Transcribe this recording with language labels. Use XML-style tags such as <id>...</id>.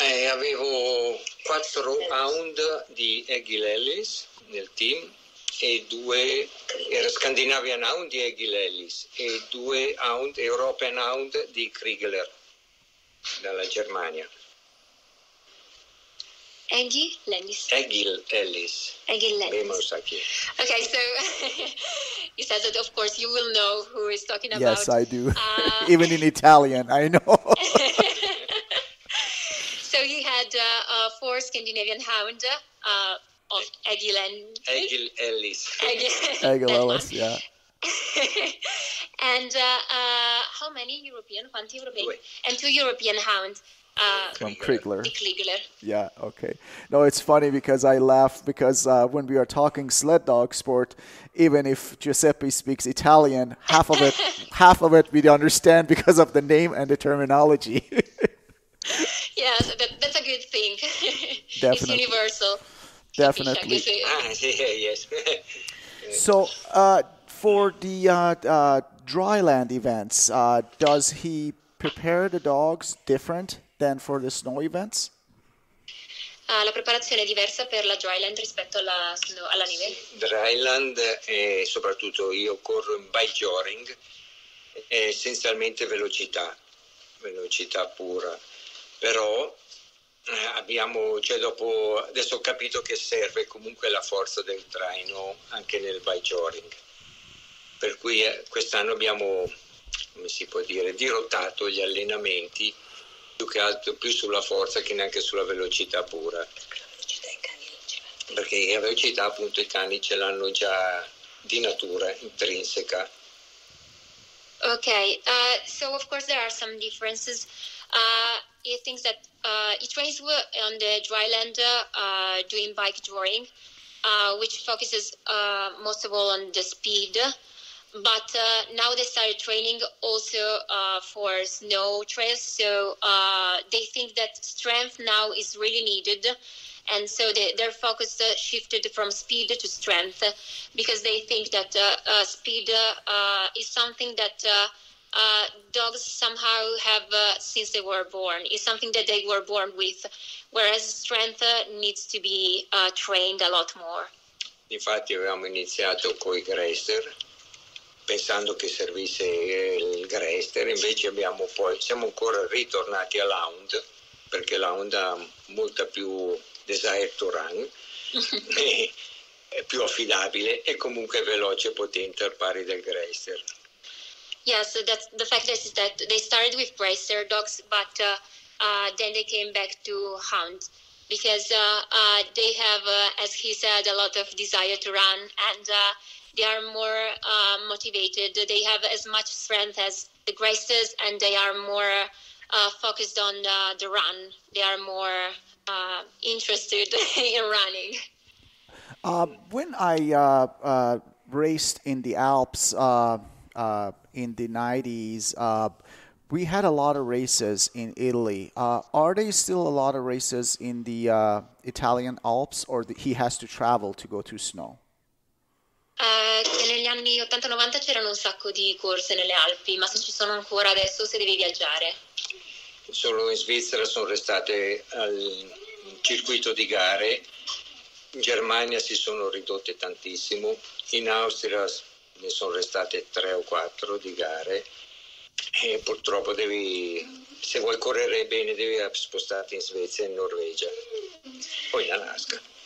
<it>Avevo quattro hound di Aguilelis nel team. E due era Scandinavian Hound di Aguilelis e due Hound European Hound di Kriegler dalla Germania. Aguilelis.</it> <en>Okay, so he says that of course you will know who is talking about. Yes, I do. Even in Italian, I know. So he had four Scandinavian Hound. Of Aguilelis, yeah. And how many European, 20 European, and two European hounds? From Kriegler. Kriegler. Yeah, okay. No, it's funny because I laugh because when we are talking sled dog sport, even if Giuseppe speaks Italian, half of it we don't understand because of the name and the terminology. Yeah, so that's a good thing. Definitely. It's universal. Definitely. Yes. So, for the dry land events, does he prepare the dogs different than for the snow events?</en> <it>La preparazione è diversa per la dry land rispetto alla snow, alla neve. Dry land, soprattutto io corro in bikejoring, è essenzialmente velocità pura, però. Abbiamo, cioè dopo, adesso ho capito che serve comunque la forza del traino anche nel bikejoring, per cui quest'anno abbiamo, come si può dire, dirottato gli allenamenti più che altro più sulla forza che neanche sulla velocità pura, perché la velocità appunto i cani ce l'hanno già di natura intrinseca.</it> <en>Okay, so of course there are some differences. He thinks that he trains on the dry land doing bike drawing, which focuses most of all on the speed. But now they started training also for snow trails. So they think that strength now is really needed. And so their focus shifted from speed to strength because they think that speed is something that dogs somehow have since they were born. It's something that they were born with, whereas strength needs to be trained a lot more.</en> <it>Infatti avevamo iniziato con i Greyster, pensando che servisse il Greyster, invece abbiamo poi siamo ancora ritornati all'Hound, perché l'Hound ha molta più</it> <en>desire to run,</en> <it>è più affidabile e comunque veloce e potente al pari del Greyster.</it> <en>Yeah, so that's the fact is that they started with Greyster dogs, but then they came back to Hound because they have, as he said, a lot of desire to run and they are more motivated. They have as much strength as the Greysters and they are more focused on the run. They are more interested in running. When I raced in the Alps, in the 90s, we had a lot of races in Italy. Are there still a lot of races in the Italian Alps, or he has to travel to go to snow?</en> <it>Negli anni 80-90 c'erano un sacco di corse nelle Alpi, ma se ci sono ancora adesso, se devi viaggiare? Solo in Svizzera sono restate al circuito di gare. In Germania si sono ridotte tantissimo. In Austria ne sono restate tre o quattro di gare e purtroppo devi, se vuoi correre bene, devi spostarti in Svezia e in Norvegia o in Alaska.</it>